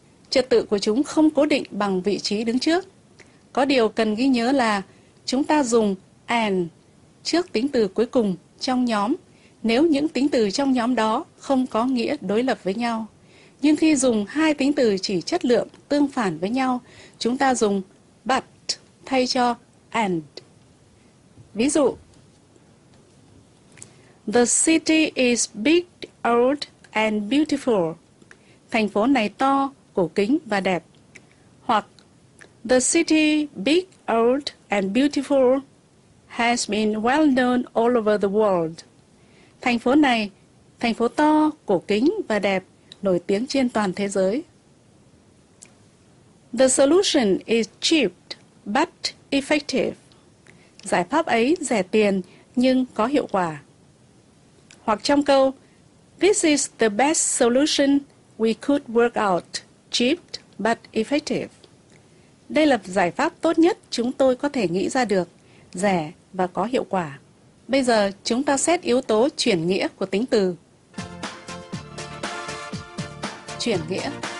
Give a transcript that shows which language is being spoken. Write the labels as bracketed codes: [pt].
[vi] Trật tự của chúng không cố định bằng vị trí đứng trước. Có điều cần ghi nhớ là chúng ta dùng and trước tính từ cuối cùng trong nhóm nếu những tính từ trong nhóm đó không có nghĩa đối lập với nhau. Nhưng khi dùng hai tính từ chỉ chất lượng tương phản với nhau, chúng ta dùng but thay cho and. Ví dụ, [en] the city is big, old and beautiful. [vi] Thành phố này to, cổ kính và đẹp. Hoặc, [en] the city big, old and beautiful has been well known all over the world. [vi] Thành phố này, thành phố to, cổ kính và đẹp, nổi tiếng trên toàn thế giới. [en] The solution is cheap but effective. [vi] Giải pháp ấy rẻ tiền nhưng có hiệu quả. Hoặc trong câu, [en] this is the best solution we could work out, cheap but effective. [vi] Đây là giải pháp tốt nhất chúng tôi có thể nghĩ ra được, rẻ và có hiệu quả. Bây giờ chúng ta xét yếu tố chuyển nghĩa của tính từ. Chuyển nghĩa.